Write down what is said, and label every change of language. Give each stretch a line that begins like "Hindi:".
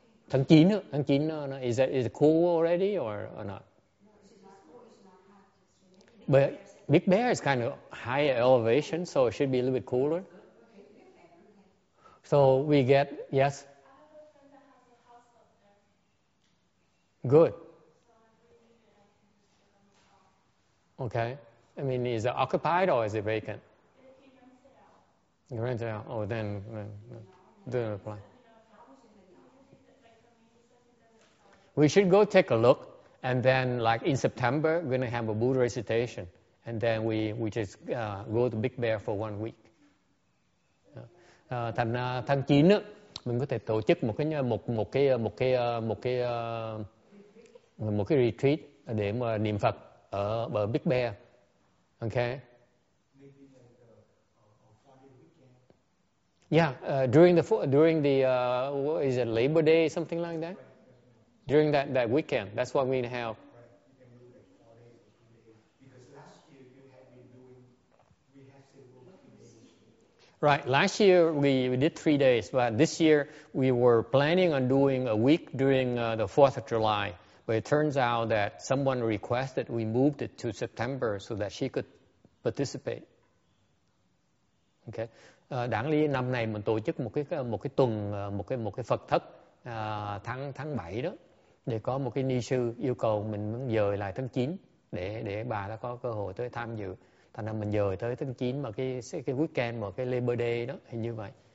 Vietnamese: Tháng 9, tháng 9,
English: is it cool already or not? But Big Bear is kind of higher elevation, so it should be a little bit cooler. So we get, yes? Good. Okay. I mean, is it occupied or is it vacant? You rent it out. You rent it out. Oh, then don't apply. We should go take a look, and then, like in September, we're going to have a Buddha recitation, and then we just go to Big Bear for 1 week.
Vietnamese: Thành tháng 9 mình có thể tổ chức một cái retreat để mà niệm Phật ở Big Bear.
English: Okay. Yeah, during the Labor Day, something like that. During that weekend, that's what we need to have. Right, last year we did 3 days, but this year we were planning on doing a week during the 4th of July. But it turns out that someone requested we moved it to September so that she could participate. Okay.
Vietnamese: Đáng lý năm này mình tổ chức một cái Phật thất tháng 7 đó. Để có một cái ni sư yêu cầu mình muốn dời lại tháng 9 để bà đã có cơ hội tới tham dự. Thành ra mình dời tới tháng 9 mà cái weekend mà cái Labor Day đó hình như vậy.